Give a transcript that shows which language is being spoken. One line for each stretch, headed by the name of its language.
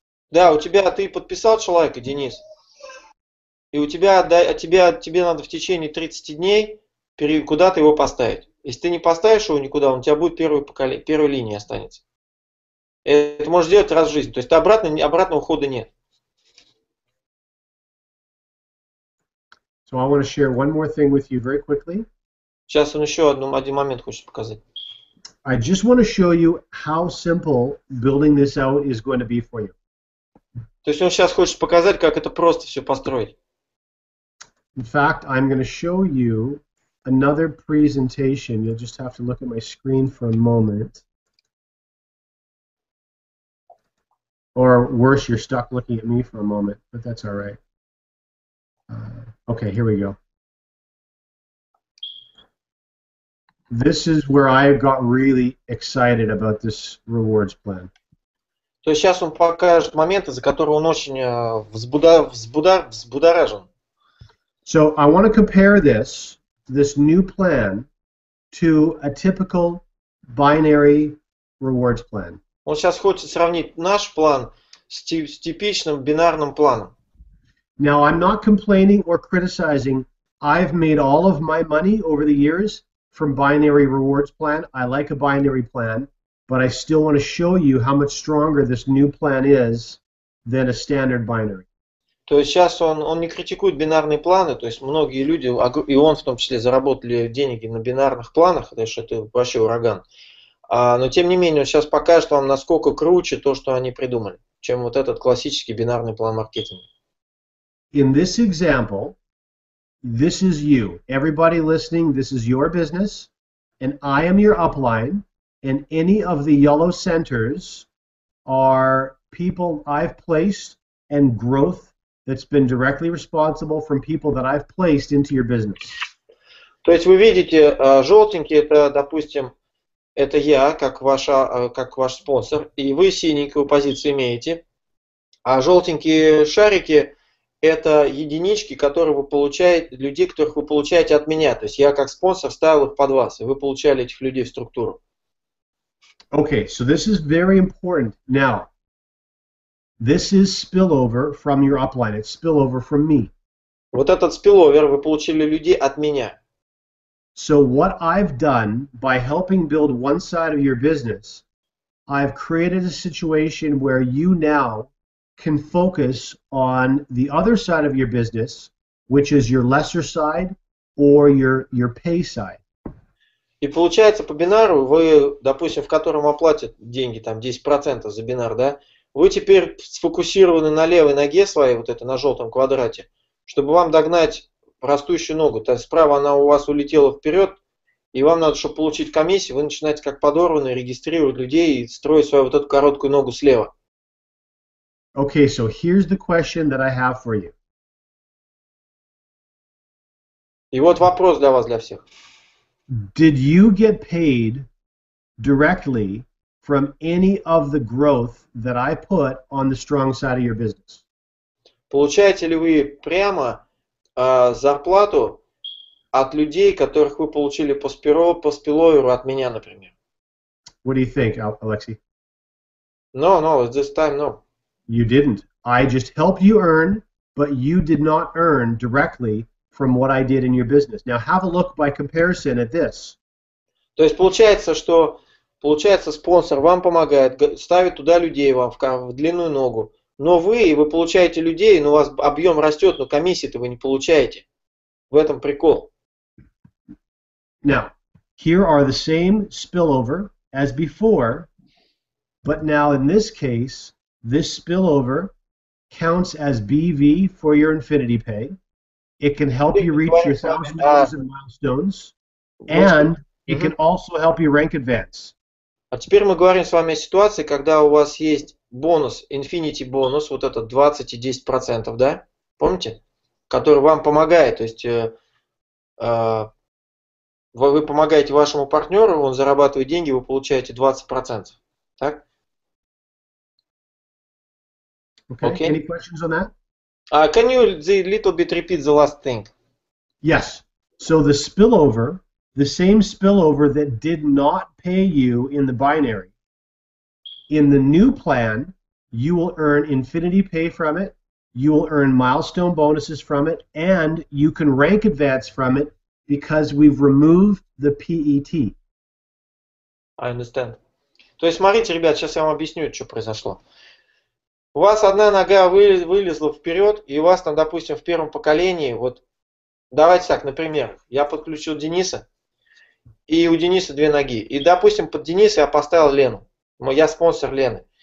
Russian: Да, у тебя, ты подписал человека, Денис? И у тебя, да, тебе надо в течение 30 дней куда-то его поставить. Если ты не поставишь его никуда, он у тебя будет первый поколение, первой линии останется. Это можешь делать раз в жизни. То есть ты обратного ухода нет.
English: So I want to share one more thing with you very quickly.
Russian: Сейчас он еще один момент хочет показать.
English: I just want to show you how simple building this out is going to be for you.
Russian: То есть он сейчас хочет показать, как это просто все построить.
English: In fact, I'm going to show you another presentation. You'll just have to look at my screen for a moment. Or worse, you're stuck looking at me for a moment, but that's all right. Okay, here we go. This is where I got really excited about this rewards plan.
Russian: То есть сейчас он покажет моменты, за которые он очень взбудоражен.
English: So I want to compare this new plan to a typical binary rewards plan.
Russian: Он сейчас хочет сравнить наш план с типичным бинарным планом.
English: Now I'm not complaining or criticizing. I've made all of my money over the years from binary rewards plan. I like a binary plan, but I still want to show you how much stronger this new plan is than a standard binary.
Russian: То есть сейчас он не критикует бинарные планы, то есть многие люди, и он в том числе, заработали деньги на бинарных планах, потому что это вообще ураган. Но тем не менее, он сейчас покажет вам, насколько круче то, что они придумали, чем вот этот классический бинарный план маркетинга.
English: In this example, this is you. Everybody listening, this is your business, and I am your upline, and any of the yellow centers are people I've placed and growth that's been directly responsible from people that I've placed into your business.
Russian: То есть вы видите, желтенький это, допустим, это я, как ваш спонсор, и вы синенькую позицию имеете, а желтенькие шарики это единички, которые вы получаете, людей, которых вы получаете от меня. То есть я как спонсор ставил их под вас, и вы получали этих людей в структуру.
English: Okay, so this is very important now. This is spillover from your upline. It's spillover from me.
Russian: Вот этот спилловер вы получили людей от меня.
English: So what I've done by helping build one side of your business, I've created a situation where you now can focus on the other side of your business, which is your lesser side or your pay side.
Russian: И получается по бинару вы, допустим, в котором оплатят деньги там 10% за бинар, да? Вы теперь сфокусированы на левой ноге своей, вот это на желтом квадрате, чтобы вам догнать растущую ногу. То есть справа она у вас улетела вперед, и вам надо, чтобы получить комиссию, вы начинаете как подорванные регистрировать людей и строить свою вот эту короткую ногу слева.
English: Okay, so here's the question that I have for you.
Russian: И вот вопрос для вас, для всех.
English: Did you get paid directly from any of the growth that I put on the strong side of your business?
Russian: Получаете ли вы прямо зарплату от людей, которых вы получили по спилловеру от меня, например?
English: What do you think, Alexei? No, this time, no. You didn't. I just helped you earn, but you did not earn directly from what I did in your business. Now, have a look by comparison at this.
Russian: То есть получается, что получается, спонсор вам помогает, ставит туда людей вам в длинную ногу. Но вы получаете людей, но у вас объем растет, но комиссии-то вы не получаете. В этом прикол.
English: Now, here are the same spillover as before, but now in this case, this spillover counts as BV for your infinity pay. It can help you reach your $1,000 in milestones, and it can also help you rank advance.
Russian: А теперь мы говорим с вами о ситуации, когда у вас есть бонус, Infinity бонус, вот этот 20 и 10%, да? Помните? Который вам помогает, то есть вы помогаете вашему партнеру, он зарабатывает деньги, вы получаете 20%. Так?
English: Okay. Okay. Any questions on that? Can you a little bit repeat the last thing? Yes. So the spillover, the same spillover that did not pay you in the binary, in the new plan, you will earn infinity pay from it, you will earn milestone bonuses from it, and you can rank advance from it because we've removed the PET. I understand.
Russian: То есть, смотрите, ребят, сейчас я вам объясню, что произошло. У вас одна нога вылезла вперед, и у вас там, допустим, в первом поколении, вот, давайте так, например, я подключил Дениса, и у Дениса две ноги. И, допустим, под Дениса я поставил Лену. Я спонсор Лены.